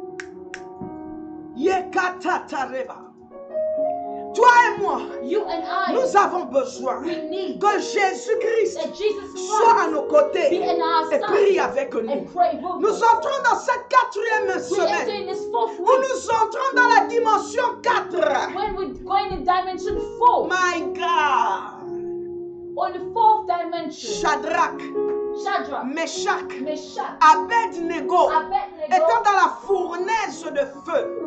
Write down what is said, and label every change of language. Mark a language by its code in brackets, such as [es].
[fr] Alléluia. Yekata tareba. Toi et moi, [en] you and I, [fr] nous avons besoin [en] we need [fr] que Jésus-Christ [en] Jesus [fr] soit à nos côtés et prie avec nous. [en] Pray, [fr] nous entrons dans cette quatrième semaine où nous entrons dans la dimension 4. [en] When we're going in dimension 4. My God! On the fourth dimension, [fr] Shadrach, Meshach, Abednego, étant dans la fournaise de feu.